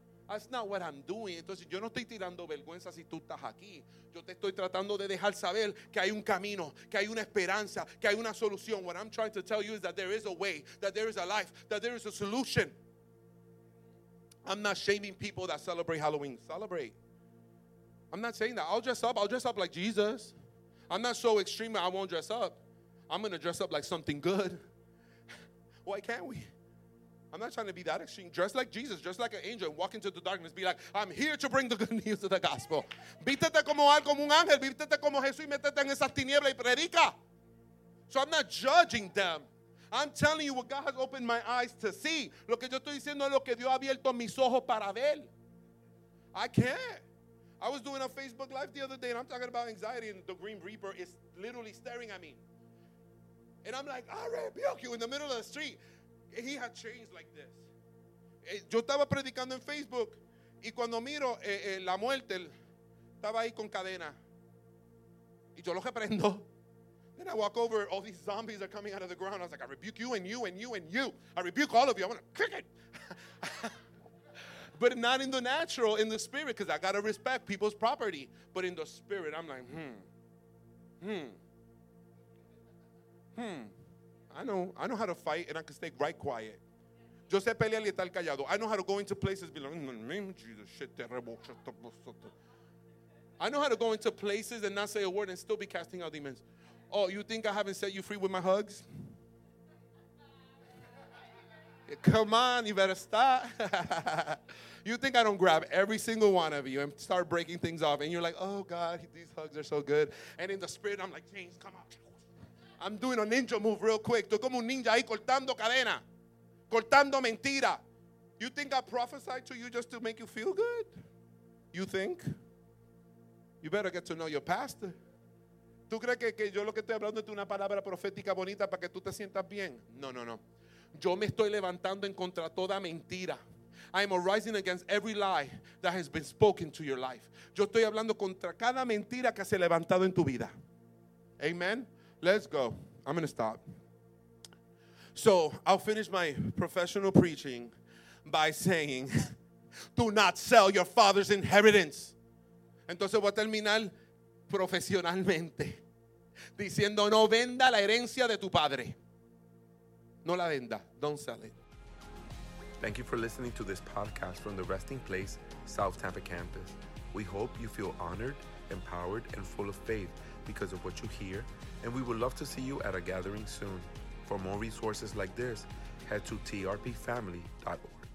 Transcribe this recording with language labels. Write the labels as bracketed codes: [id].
[en] That's not what I'm doing. [es] Entonces, yo no estoy tirando vergüenza si tú estás aquí. Yo te estoy tratando de dejar saber que hay un camino, que hay una esperanza, que hay una solución. [en] What I'm trying to tell you is that there is a way, that there is a life, that there is a solution. I'm not shaming people that celebrate Halloween. Celebrate. I'm not saying that. I'll dress up. I'll dress up like Jesus. I'm not so extreme I won't dress up. I'm going to dress up like something good. Why can't we? I'm not trying to be that extreme. Dress like Jesus, dress like an angel, and walk into the darkness. Be like, I'm here to bring the good news of the gospel. [es] Vístete como algo, como un ángel. Vístete como Jesús y métete en esas tinieblas y predica. [en] So I'm not judging them. I'm telling you what God has opened my eyes to see. [es] Lo que yo estoy diciendo es lo que Dios ha abierto mis ojos para ver. [en] I can't. I was doing a Facebook Live the other day, and I'm talking about anxiety, and the Green Reaper is literally staring at me. And I'm like, I rebuke you in the middle of the street. He had chains like this. [es] Yo estaba predicando en Facebook y cuando miro la muerte estaba ahí con cadena. Y yo lo reprendo. [en] Then I walk over, all these zombies are coming out of the ground. I was like, I rebuke you and you and you and you. I rebuke all of you. I'm going to kick it. But not in the natural, in the spirit, because I got to respect people's property. But in the spirit, I'm like, I know how to fight, and I can stay right quiet. [es] Yo sé pelear y estar callado. [en] I know how to go into places, be like, Jesus, shit, [es] te rebocho. [en] I know how to go into places and not say a word and still be casting out demons. Oh, you think I haven't set you free with my hugs? Come on, you better stop. You think I don't grab every single one of you and start breaking things off, and you're like, oh, God, these hugs are so good. And in the spirit, I'm like, James, come on. I'm doing a ninja move real quick. [es] Estoy como un ninja ahí cortando cadena, cortando mentira. [en] You think I prophesied to you just to make you feel good? You think? You better get to know your pastor. [es] ¿Tú crees que yo lo que estoy hablando es una palabra profética bonita para que tú te sientas bien? No. Yo me estoy levantando en contra toda mentira. [en] I am arising against every lie that has been spoken to your life. [es] Yo estoy hablando contra cada mentira que se ha levantado en tu vida. [en] Amen. Let's go. I'm going to stop. So I'll finish my professional preaching by saying, do not sell your father's inheritance. [es] Entonces voy a terminar profesionalmente diciendo, no venda la herencia de tu padre. No la venda. [en] Don't sell it. Thank you for listening to this podcast from the Resting Place, South Tampa Campus. We hope you feel honored, empowered, and full of faith because of what you hear. And we would love to see you at a gathering soon. For more resources like this, head to trpfamily.org.